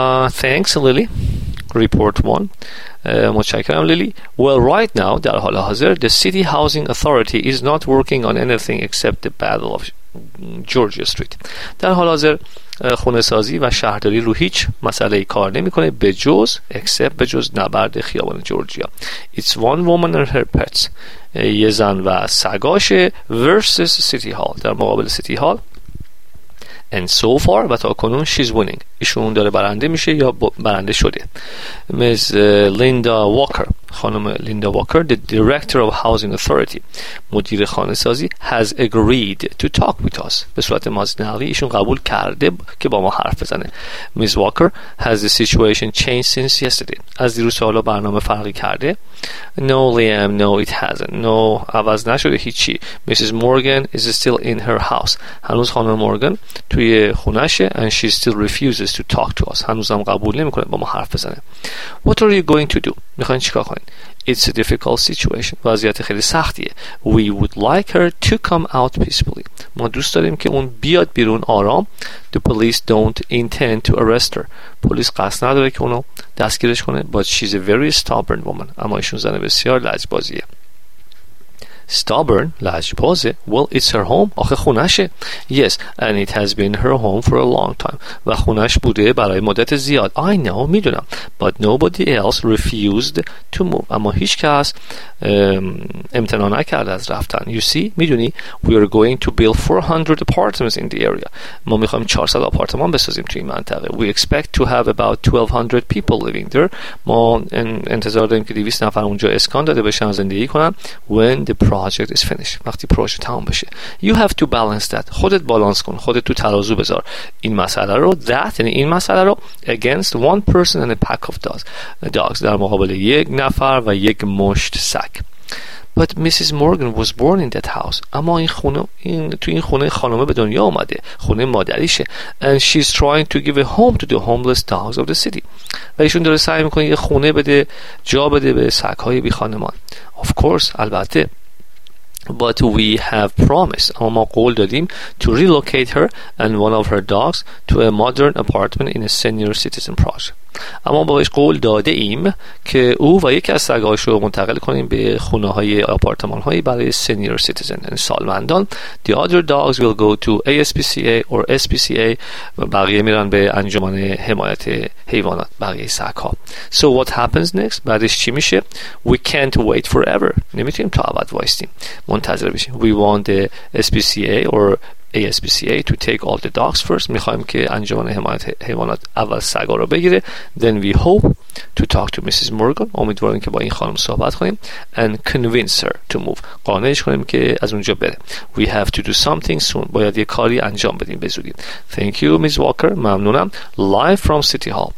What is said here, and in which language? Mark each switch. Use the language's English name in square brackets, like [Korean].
[English] Thanks Lily. Report 1. [Persian] متشکرم لیلی [English] Well right now [Persian] در حال حاضر [English] The city housing authority is not working on anything except the battle of Georgia Street [Persian] در حال حاضر خونه سازی و شهرداری رو هیچ مسئله کار نمی کنه به جز نبرد خیابان جورجیا [English] It's one woman and her pets [Persian] یه زن و سگاش [English] versus city hall [Persian] در مقابل [English] city hall And so far, [Persian] و تا کنون, [English] she's winning. [Persian] ایشون داره برنده میشه یا برنده شده. [English] Ms. Linda Walker, [Persian] خانم [English] Linda Walker, the director of housing authority, [Persian] مدیر خانه سازی, [English] has agreed to talk with us. [Persian] به صورت مازنالی, ایشون قبول کرده که با ما حرف بزنه. [English] Ms. Walker, has the situation changed since yesterday? [Persian] از دیروز حالا برنامه فرقی کرده؟ [English] No, Liam, no, it hasn't. No, [Persian] عوض نشده هیچی. [English] Mrs. Morgan is still in her house. [Persian] هنوز خانم مورگان توی خونهشه [English] and she still refuses to talk to us. [Persian] هنوزم قبول نمیکنه با ما حرف بزنه. [English] What are you going to do? [Persian] میخواین چیکار کنین؟ [English] It's a difficult situation. [Persian] وضعیت خیلی سختیه. [English] We would like her to come out peacefully. [Persian] ما دوست داریم که اون بیاد بیرون آرام. [English] The police don't intend to arrest her. [Persian] پلیس قصد نداره که اونو دستگیرش کنه. [English] But she's a very stubborn woman. [Persian] اما ایشون زن بسیار لجبازیه. [English] stubborn, [Persian] لجبازه. [English] Well, it's her home. [Persian] آخه خونهشه. [English] Yes, and it has been her home for a long time. [Persian] و خونهش بوده برای مدت زیاد. [English] I know, [Persian] میدونم. [English] But nobody else refused to move. [Persian] اما هیچ کس امتنا نکرد از رفتن. [English] You see, [Persian] میدونی, [English] we are going to build 400 apartments in the area. [Persian] ما میخواییم 400 آپارتمان بسازیم توی این منطقه. [English] We expect to have about 1200 people living there. [Persian] ما انتظار داریم که 200 نفر اونجا اسکان داده بشن زندگی کنن. [English] When the project is finished. [Persian] وقتی پروژه تموم بشه. [English] You have to balance that. [Persian] خودت بالانس کن. خودت تو ترازو بذار. این مسئله رو. That. یعنی این مسئله رو. [English] Against one person and a pack of dogs. [Persian] در مقابل یک نفر و یک مشت سگ. [English] But Mrs. Morgan was born in that house. [Persian] اما این خونه تو این خونه خانومه به دنیا اومده. خونه مادریشه. [English] And she's trying to give a home to the homeless dogs of the city. [Persian] و ایشون داره سعی میکنه یه خونه بده، جا بده به سگ‌های بی‌خانمان. [English] Of course, [Persian] البته. [English] But we have promised. [Persian] اما ما قول دادیم [English] to relocate her and one of her dogs to a modern apartment in a senior citizen project. [Persian] اما باش قول داده ایم که او و یکی از سگاش رو منتقل کنیم به خونه های آپارتمان هایی برای سینیر سیتیزن سالمندان. [English] The other dogs will go to ASPCA or SPCA. [Persian] بقیه میرن به انجمن حمایت حیوانات بقیه سگ ها. [English] So what happens next? [Persian] بعدش چی میشه؟ [English] We can't wait forever. [Persian] نمیتونیم تا ابد وایستیم، منتظر بشیم. [English] We want the SPCA or ASPCA to take all the dogs first. [Persian] میخوایم که انجمن حمایت حیوانات اول سگا رو بگیره. [English] Then we hope to talk to Mrs. Morgan. [Persian] امیدواریم که با این خانم صحبت کنیم. [English] And convince her to move. [Persian] قانعش کنیم که از اونجا بره. [English] We have to do something soon. [Persian] باید یه کاری انجام بدیم بزودی. [English] Thank you, Ms. Walker. [Persian] ممنونم. [English] Live from City Hall.